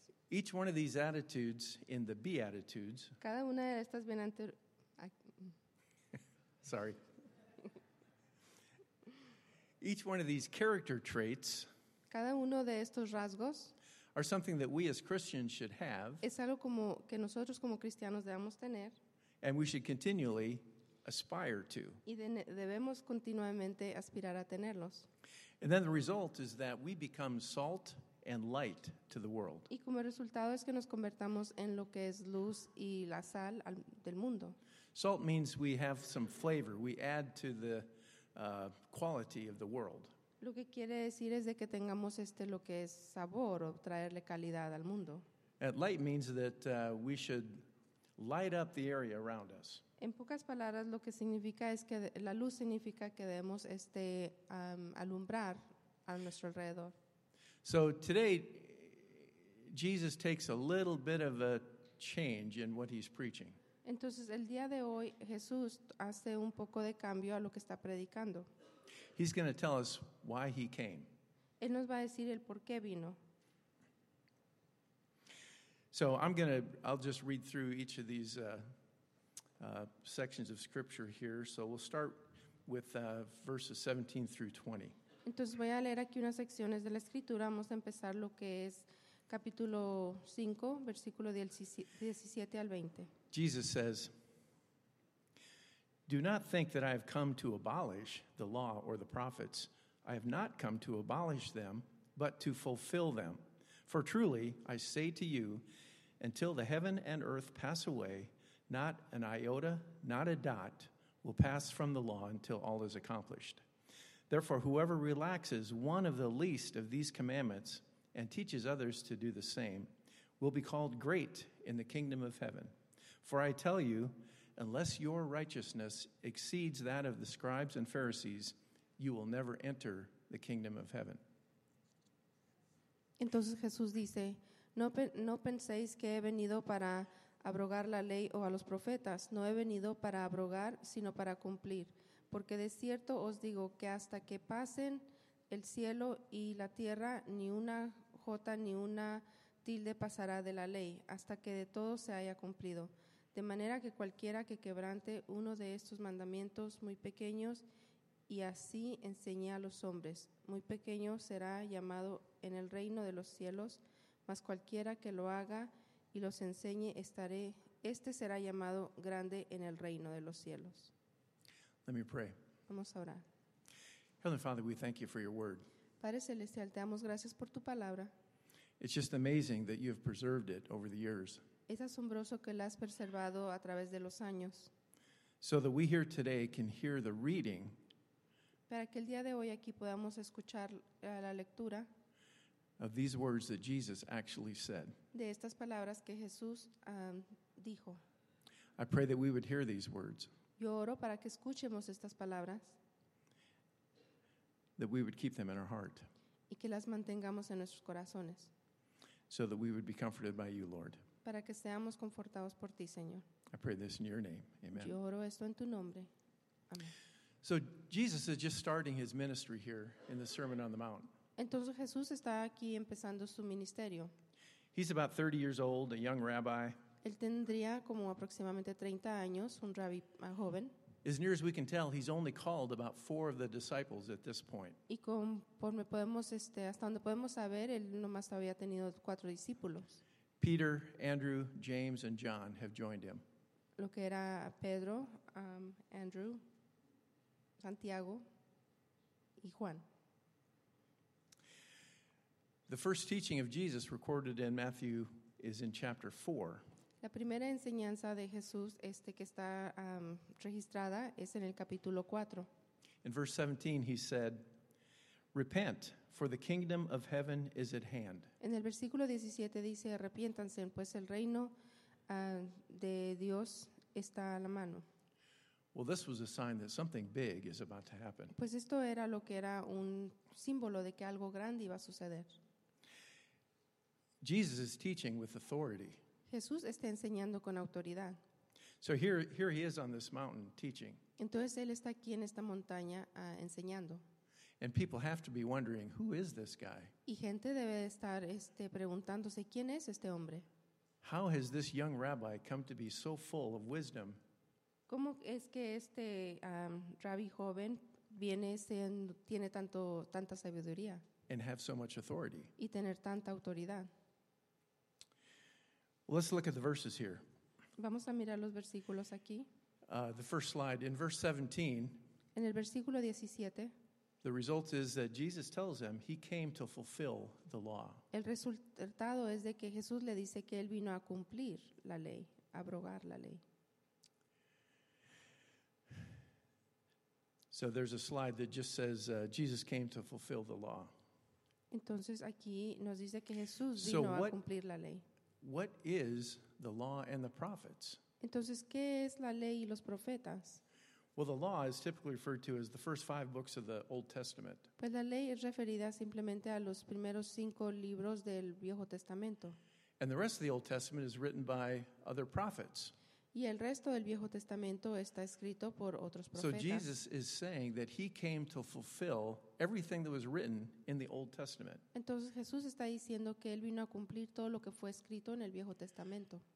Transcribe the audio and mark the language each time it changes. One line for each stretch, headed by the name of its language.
English: Each one of these attitudes in the Beatitudes.
Spanish: Cada una de estas
English: sorry. Each one of these character traits.
Spanish: Cada uno de estos rasgos.
English: Are something that we as Christians should have.
Spanish: Es algo como que nosotros como cristianos debemos tener.
English: And we should continually aspire to.
Spanish: Y debemos continuamente aspirar a tenerlos.
English: And then the result is that we become salt and light to the world.
Spanish: Y como resultado es que nos convertamos en lo que es luz y la sal del mundo.
English: Salt means we have some flavor. We add to the quality of the world.
Spanish: Lo que quiere decir es de que tengamos lo que es sabor o traerle calidad al mundo.
English: And light means that we should light up the area around us.
Spanish: En pocas palabras, lo que significa es que la luz significa que debemos alumbrar a nuestro alrededor.
English: So today, Jesus takes a little bit of a change in what he's preaching.
Spanish: Entonces, el día de hoy, Jesús hace un poco de cambio a lo que está predicando.
English: He's going to tell us why he came.
Spanish: Él nos va a decir el por qué vino.
English: So I'll just read through each of these sections of scripture here. So we'll start with verses 17 through 20.
Spanish: Entonces voy a leer aquí unas secciones de la escritura. Vamos a empezar lo que es capítulo 5, versículo 17 al 20.
English: Jesus says, "Do not think that I have come to abolish the law or the prophets. I have not come to abolish them, but to fulfill them. For truly, I say to you, until the heaven and earth pass away, not an iota, not a dot, will pass from the law until all is accomplished. Therefore, whoever relaxes one of the least of these commandments and teaches others to do the same will be called great in the kingdom of heaven. For I tell you, unless your righteousness exceeds that of the scribes and Pharisees, you will never enter the kingdom of heaven."
Spanish: Entonces Jesús dice, no penséis que he venido para abrogar la ley o a los profetas. No he venido para abrogar, sino para cumplir. Porque de cierto os digo que hasta que pasen el cielo y la tierra, ni una jota ni una tilde pasará de la ley, hasta que de todo se haya cumplido. De manera que cualquiera que quebrante uno de estos mandamientos muy pequeños y así enseñe a los hombres, muy pequeño será llamado en el reino de los cielos, mas cualquiera que lo haga y los enseñe, este será llamado grande en el reino de los cielos.
English: Let me pray.
Spanish: Vamos a orar.
English: Heavenly Father, we thank you for your word.
Spanish: Padre Celestial, te damos gracias por tu palabra.
English: It's just amazing that you have preserved it over the years.
Spanish: Es asombroso que la has preservado a través de los años.
English: So that we here today can hear the reading.
Spanish: Para que el día de hoy aquí podamos escuchar la lectura.
English: Of these words that Jesus actually said.
Spanish: De estas palabras que Jesús dijo.
English: I pray that we would hear these words.
Spanish: Yo oro para que escuchemos estas palabras.
English: That we would keep them in our heart.
Spanish: Y que las mantengamos en nuestros corazones.
English: So that we would be comforted by you, Lord.
Spanish: Para que seamos confortados por ti, Señor.
English: I pray this in your name. Amen.
Spanish: Yo oro esto en tu nombre. Amén.
English: So Jesus is just starting his ministry here in the Sermon on the Mount.
Spanish: Entonces Jesús está aquí empezando su ministerio.
English: He's about 30 years old, a young rabbi.
Spanish: Él tendría como aproximadamente 30 años, un rabbi joven.
English: As near as we can tell, he's only called about 4 of the disciples at this point.
Spanish: Y conforme podemos hasta donde podemos saber, él nomás había tenido 4 discípulos.
English: Peter, Andrew, James, and John have joined him.
Spanish: Lo que era Pedro, Andrew, Santiago, y Juan.
English: The first teaching of Jesus recorded in Matthew is in chapter 4.
Spanish: La primera enseñanza de Jesús que está registrada es en el capítulo 4.
English: In verse 17 he said, "Repent, for the kingdom of heaven is at hand."
Spanish: En el versículo 17 dice, "Arrepiéntanse, pues el reino de Dios está a la mano."
English: Well, this was a sign that something big is about to happen.
Spanish: Pues esto era lo que era un símbolo de que algo grande iba a suceder.
English: Jesus is teaching with authority.
Spanish: Jesús está enseñando con autoridad.
English: So here he is on this mountain teaching.
Spanish: Entonces él está aquí en esta montaña enseñando.
English: And people have to be wondering, who is this guy?
Spanish: Y gente debe estar preguntándose, ¿quién es este hombre?
English: How has this young rabbi come to be so full of wisdom?
Spanish: ¿Cómo es que rabbi joven tiene tanta sabiduría?
English: And have so much authority.
Spanish: Y tener tanta autoridad.
English: Let's look at the verses here.
Spanish: Vamos a mirar los versículos aquí.
English: The first slide, in verse 17.
Spanish: En el versículo 17.
English: The result is that Jesus tells him he came to fulfill the law.
Spanish: El resultado es de que Jesús le dice que él vino a cumplir la ley, a abrogar la ley.
English: So there's a slide that just says Jesus came to fulfill the law.
Spanish: Entonces aquí nos dice que Jesús vino a cumplir la ley.
English: What is the law and the prophets?
Spanish: Entonces, ¿qué es la ley y los profetas?
English: Well, the law is typically referred to as the first five books of the Old Testament.
Spanish: Pues la ley es referida simplemente a los primeros cinco libros del Viejo Testamento.
English: And the rest of the Old Testament is written by other prophets.
Spanish: Y el resto del Viejo Testamento está escrito por otros profetas.
English: So Jesus is saying that he came to fulfill everything that was written in the Old Testament.
Spanish: Entonces Jesús está diciendo que él vino a cumplir todo lo que fue escrito en el Viejo Testamento.